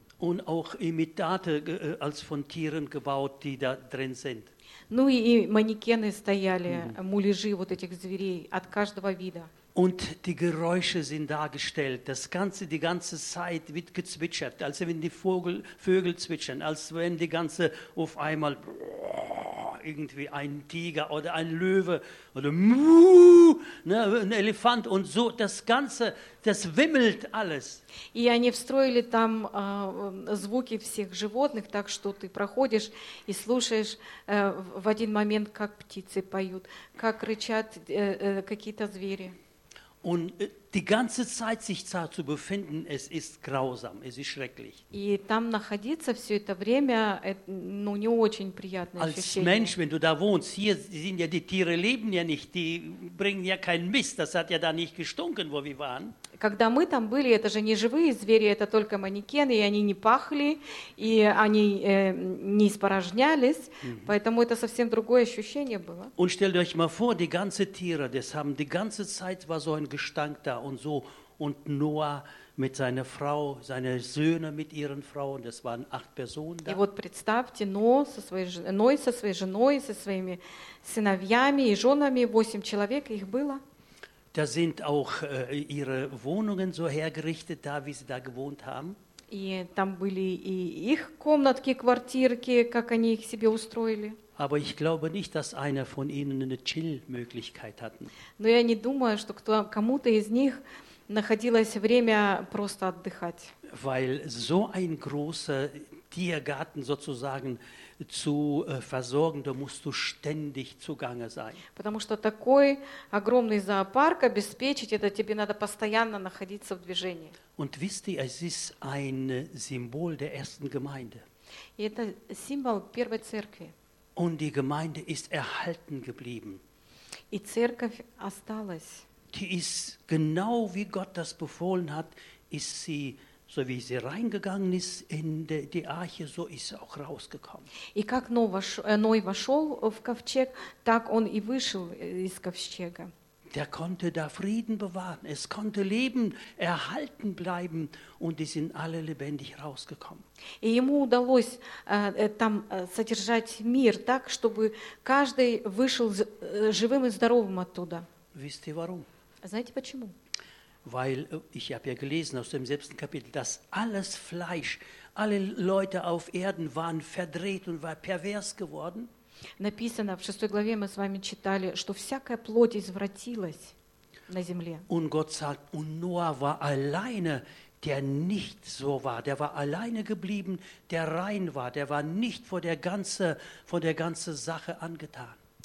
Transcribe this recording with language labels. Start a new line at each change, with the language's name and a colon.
German: Und auch Imitate als von Tieren gebaut, die da drin sind.
Russian: Ну и манекены стояли, муляжи вот этих зверей от каждого вида.
German: Und die Geräusche sind dargestellt. Das ganze, die ganze Zeit wird gezwitschert, als wenn die Vögel zwitschern, als wenn die ganze auf einmal irgendwie ein Tiger oder ein Löwe oder ne, ein Elefant und so, das Ganze, das wimmelt alles.
Russian: И они встроили там звуки всех животных, так что ты проходишь и слушаешь в один момент, как птицы поют, как рычат какие-то звери.
German: Und die ganze Zeit sich da zu befinden, es ist grausam, es ist schrecklich.
Russian: И там находиться все это время, ну, не очень приятное ощущение.
German: Als Mensch, wenn du da wohnst, hier sind ja die Tiere leben ja nicht, die bringen ja keinen Mist, das hat ja da nicht gestunken, wo wir waren.
Russian: Когда мы там были, это же не живые звери, это только манекены, и они не пахли, и они не испорожнялись, поэтому это совсем другое ощущение было.
German: Und stellt euch mal vor, die ganze Tiere, das haben die ganze Zeit war so ein Gestank da und so, und Noah mit seiner Frau, seine Söhne mit ihren Frauen, das waren 8 Personen da.
Russian: И вот представьте, Ной со своей женой, со своими сыновьями и женами, 8 человек их было.
German: Da sind auch ihre Wohnungen so hergerichtet, da wie sie da gewohnt haben.
Russian: И там были и их комнатки, квартирки, как они их себе устроили.
German: Aber ich glaube nicht, dass einer von ihnen eine Chill-Möglichkeit hatten.
Russian: Но я не думаю, что кому-то из них находилось время просто отдыхать.
German: Weil so ein großer Tiergarten sozusagen zu versorgen, da musst du ständig zugange sein.
Russian: Потому что такой огромный зоопарк обеспечить, это тебе надо постоянно находиться в движении.
German: Und wisst ihr, es ist ein Symbol der ersten Gemeinde.
Russian: И это символ первой церкви.
German: Und die Gemeinde ist erhalten geblieben.
Russian: И церковь осталась.
German: Die ist genau wie Gott das befohlen hat, ist sie so wie sie reingegangen ist in die Arche, so ist sie auch rausgekommen.
Russian: И как Ной вошел в ковчег, так он и вышел из ковчега.
German: Der konnte da Frieden bewahren, es konnte Leben erhalten bleiben und die sind alle lebendig rausgekommen.
Russian: И ему удалось там содержать мир так, чтобы каждый вышел живым и здоровым оттуда.
German: Wisst ihr warum?
Russian: Знаете почему?
German: Weil ich habe ja gelesen aus dem sechsten Kapitel, dass alles Fleisch, alle Leute auf Erden waren verdreht und war pervers geworden.
Russian: Написано в шестой главе мы с вами читали, что всякая плоть извратилась на земле.
German: Und Gott sagt, und Noah war alleine, der nicht so war. Der war alleine geblieben, der rein war. Der war nicht von der ganzen Sache angetan.